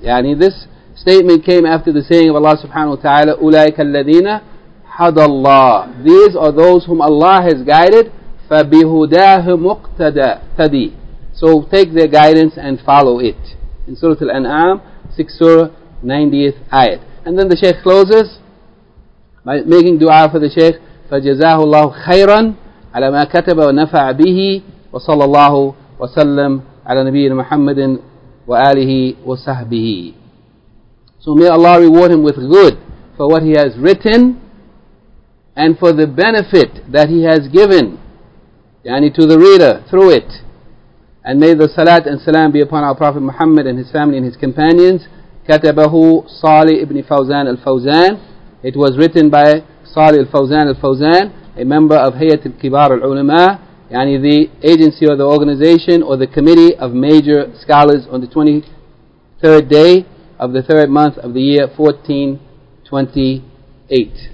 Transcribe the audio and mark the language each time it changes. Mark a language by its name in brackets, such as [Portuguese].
[English] يعني this statement came after the saying of Allah subhanahu wa ta'ala, [Arabic] أُولَٰئِكَ الَّذِينَ حَدَ اللَّهِ. [English] These are those whom Allah has guided, [Arabic] فَبِهُدَاهُ مُقْتَدَىٰ. [English] So take their guidance and follow it. In Surah Al-An'am, 6th Surah, 90th Ayat. And then the Shaykh [Arabic] closes by making dua for the Shaykh, فَجَزَاهُ اللَّهُ خَيْرًا عَلَى مَا كَتَبَ وَنَفَعَ بِهِ وَصَلَّى اللَّهُ وَسَلَّمْ عَلَى نَبِيِّنَ مُحَمَّدٍ وَآلِهِ وَصَحْبِهِ. [English] So may Allah reward him with good for what he has written and for the benefit that he has given, yani to the reader through it. And may the salat and salam be upon our Prophet Muhammad and his family and his companions. Katabahu Salih ibn Fawzan al-Fawzan. It was written by Salih al-Fawzan al-Fawzan, a member of Hayat al-Kibar al-Ulama, yani the agency or the organization or the committee of major scholars, on the 23rd day of the third month of the year 1428.